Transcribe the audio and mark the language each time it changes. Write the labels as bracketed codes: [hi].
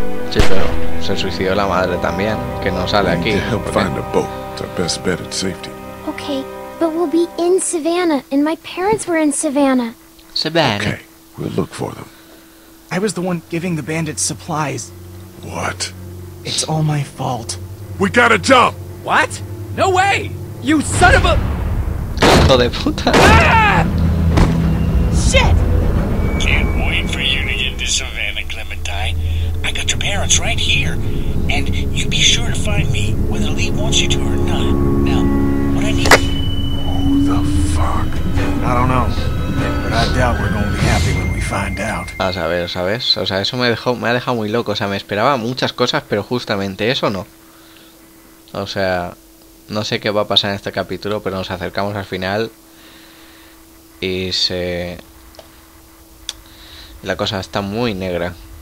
[es] Sí, pero se suicidó la madre también, que no sale aquí. [en] Find a boat. It's our best bet at safety. Okay, but we'll be in Savannah, and my parents were in Savannah. Savannah. Okay, we'll look for them. I was the one giving the bandits supplies. What? It's all my fault. We gotta jump! What? No way! You son of a... [es] Hijo de puta. [en] Ah! Shit! Can't wait for you to get to Savannah, Clementine. I got your parents right here. And you be sure to find me whether Lee wants you to or not. Now, what I need... Who the fuck? I don't know. But I doubt we're gonna be happy when we find out. [es] A saber, ¿sabes? O sea, eso me ha dejado muy loco. O sea, me esperaba muchas cosas, pero justamente eso no. O sea... No sé qué va a pasar en este capítulo, pero nos acercamos al final. Y se... La cosa está muy negra.